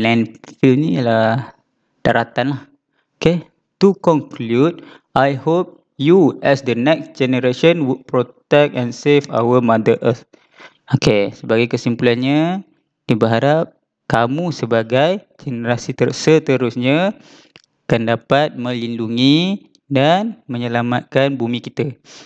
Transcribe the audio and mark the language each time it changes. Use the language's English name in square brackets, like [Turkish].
[Malay] Landfill ni ialah daratan lah. Okay. [English] To conclude, I hope you as the next generation would protect and save our Mother Earth. [Malay] Okay, sebagai kesimpulannya, dia berharap kamu sebagai generasi seterusnya akan dapat melindungi dan menyelamatkan bumi kita.